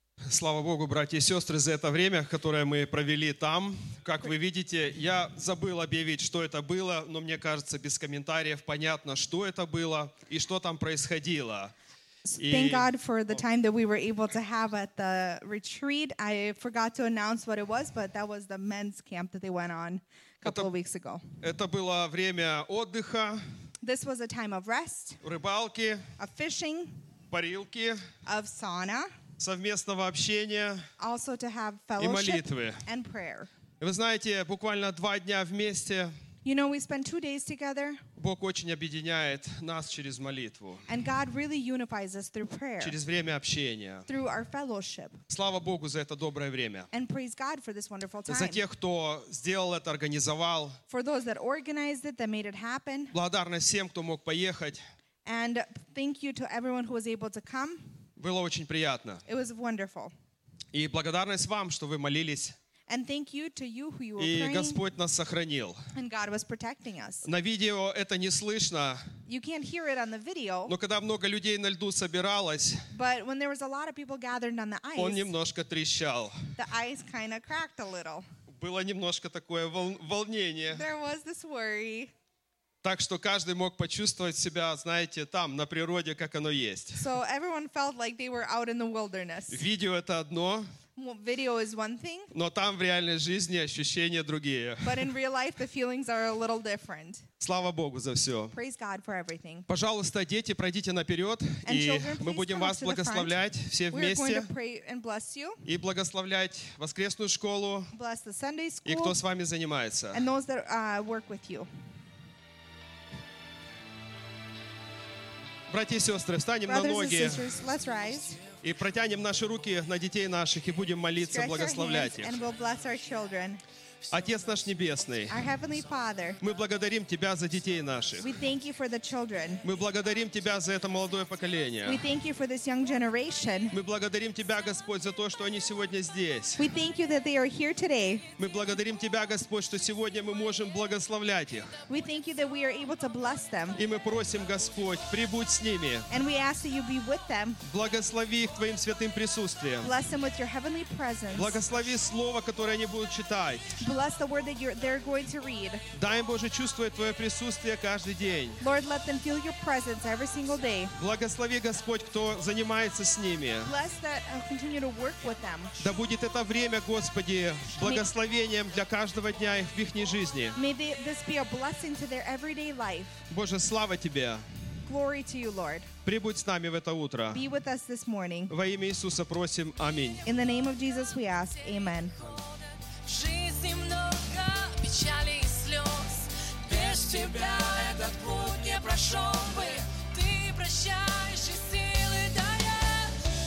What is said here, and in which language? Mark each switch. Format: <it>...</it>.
<ru>Слава Богу, братья и сестры, за это время, которое мы провели там. Как вы видите, я забыл объявить, что это было, но мне кажется, без комментариев понятно, что это было и что там происходило.</ru> <en>Thank God for the time that we were able to have at the retreat. I forgot to announce what it was, but that was the men's camp that they went on a couple of weeks ago.</en> <ru>Это было время отдыха.</ru> <en>This was a time of rest.</en> <ru>Рыбалки.</ru> <en>Of fishing.</en> <ru>Парилки.</ru> <en>Of sauna.</en> <ru>Совместного общения</ru> <en>also to have fellowship</en> <ru>и молитвы.</ru> <en>And prayer.</en> <ru>Вы знаете, буквально два дня вместе.</ru> <en>You know, we spend 2 days together.</en> <ru>Бог очень объединяет нас через молитву.</ru> <en>And God really unifies us through prayer.</en> <ru>Через время общения.</ru> <en>Through our fellowship.</en> <ru>Слава Богу за это доброе время.</ru> <en>And praise God for this wonderful time.</en> <ru>За тех, кто сделал это, организовал.</ru> <en>For those that organized it, that made it happen.</en> <ru>Благодарность всем, кто мог поехать.</ru> <en>And thank you to everyone who was able to come.</en> <ru>Было очень приятно.</ru> <en>It was wonderful.</en> <ru>И благодарность вам, что вы молились.</ru> <en>And thank you to you who you were</en> <ru>и</ru> <en>praying.</en> <ru>И Господь нас сохранил.</ru> <en>And God was protecting us.</en> <ru>На видео это не слышно.</ru> <en>You can't hear it on the video.</en> <ru>Но когда много людей на льду собиралось,</ru> <en>but when there was a lot of people gathered on the ice,</en> <ru>он немножко трещал.</ru> <en>The ice kind of cracked a little.</en> <ru>Было немножко такое волнение.</ru> <en>There was this worry.</en> <ru>Так что каждый мог почувствовать себя, знаете, там, на природе, как оно есть.</ru> <en>So everyone felt like they were out in the wilderness.</en> <ru>Видео — это одно.</ru> <en>Well, video is one thing.</en> <ru>Но там в реальной жизни ощущения другие.</ru> <en>But in real life, the feelings are a little different.</en> <ru>Слава Богу за все.</ru> <en>Praise God for everything.</en> <ru>Пожалуйста, дети, пройдите наперед, и мы будем вас благословлять все вместе. И благословлять воскресную школу.</ru> <en>Bless the Sunday school.</en> <ru>И кто с вами занимается.</ru> <en>And those that work with you.</en> <ru>Братья и сестры, встанем</ru> <en>Brothers</en> <ru>на ноги</ru> <en>sisters, let's rise.</en> <ru>И протянем наши руки на детей наших и будем молиться,</ru> <en>Stretch</en> <ru>благословлять</ru> <en>our hands,</en> <ru>их.</ru> <en>And we'll bless our children.</en> <ru>Отец наш Небесный,</ru> <en>our Heavenly Father,</en> <ru>мы благодарим Тебя за детей наших.</ru> <en>We thank you for the children.</en> <ru>Мы благодарим Тебя за это молодое поколение.</ru> <en>We thank you for this young generation.</en> <ru>Мы благодарим Тебя, Господь, за то, что они сегодня здесь.</ru> <en>We thank you that they are here today.</en> <ru>Мы благодарим Тебя, Господь, что сегодня мы можем благословлять их.</ru> <en>We thank you that we are able to bless them.</en> <ru>И мы просим, Господь, прибудь с ними.</ru> <en>And we ask that you be with them.</en> <ru>Благослови их Твоим святым присутствием.</ru> <en>Bless them with your heavenly presence.</en> <ru>Благослови слово, которое они будут читать.</ru> <en>Bless the word that they're going to read.</en> <ru>Дай им, Боже, чувствовать Твое присутствие каждый день.</ru> <en>Lord, let them feel Your presence every single day.</en> <ru>Благослови, Господь, кто занимается с ними.</ru> <en>Bless that continue to work with them.</en> <ru>Да будет это время, Господи, благословением для каждого дня в их жизни.</ru> <en>May this be a blessing to their everyday life.</en> <ru>Боже, слава Тебе.</ru> <en>Glory to You, Lord.</en> <ru>Прибудь с нами в это утро.</ru> <en>Be with us this morning.</en> <ru>Во имя Иисуса просим, аминь.</ru> <en>In the name of Jesus we ask, amen.</en> <ru>Жизни много печали и слез. Без тебя этот путь не прошел бы. Ты прощаешь и силы даешь.</ru>